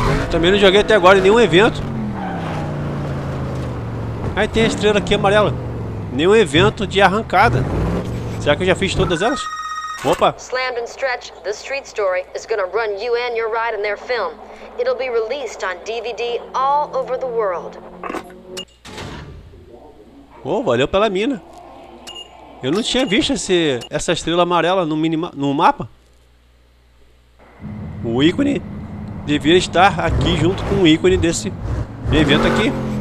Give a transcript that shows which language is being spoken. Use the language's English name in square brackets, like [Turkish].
[Portuguese] Também não joguei até agora nenhum evento. Aí tem a estrela aqui amarela. Nenhum evento de arrancada. Será que eu já fiz todas elas? Opa! [English] Slammed and Stretch, The Street Story is gonna run you and your ride in their film. It'll be released on DVD all over the world. [Portuguese] Oh, valeu pela mina. Eu não tinha visto essa estrela amarela no mapa. O ícone devia estar aqui junto com o ícone desse evento aqui.